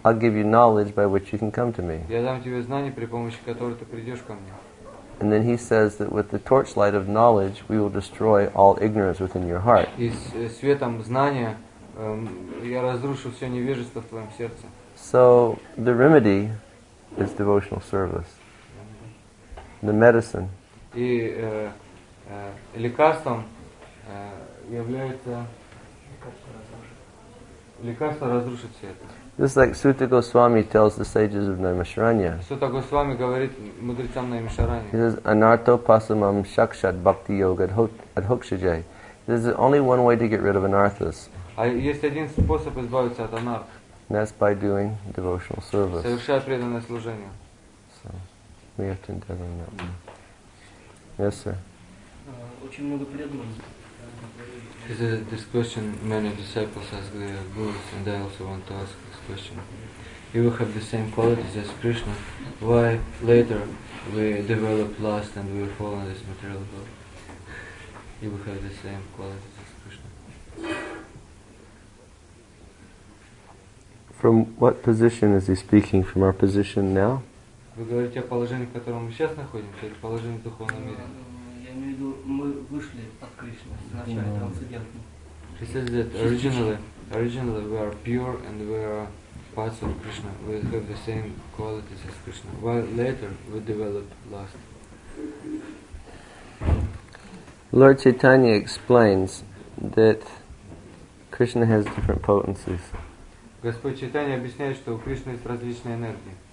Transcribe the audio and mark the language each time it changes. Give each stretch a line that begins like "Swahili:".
English: I'll give you knowledge by which you can come to me.
Russian: Я дам тебе знание, при помощи которого ты придешь ко мне.
English: And then he says that with the torchlight of knowledge, we will destroy all ignorance within your heart.
Russian: И светом знания я разрушу все невежество в твоем сердце.
English: So the remedy is devotional service. The medicine.
Russian: И лекарством является лекарство разрушит все это.
English: Just like Sutta Goswami tells the sages of Naimisharanya.
Russian: Sutta Goswami говорит мудрецам Наимишаранья.
English: He says,
Sanskrit: "Anartho pasamam shakshat bhakti yoga adhokshajay."
English: This is only one way to get rid of anarthas.
Russian: А есть один способ избавиться от анарх.
English: That's by doing devotional service.
Russian: Совершать преданное служение.
English: So, we have to endeavor in that one. Yes, sir.
Russian: Очень много преданных.
English: This question many disciples ask their gurus, and I also want to ask this question. If we have the same qualities as Krishna, why later we develop lust and we fall in this material world? If we have the same qualities as Krishna. From what position is he speaking? From our position now?
Russian: Вы говорите о положении, в котором мы сейчас находимся, это положение в духовном мире. Мы вышли от Кришны, изначально трансцендентно.
English: He says that originally we are pure and we are parts of Krishna. We have the same qualities as Krishna. While later we develop lust. Lord Chaitanya explains that Krishna has different potencies.
Russian: Господь Чайтанья объясняет, что у Кришны есть различные энергии.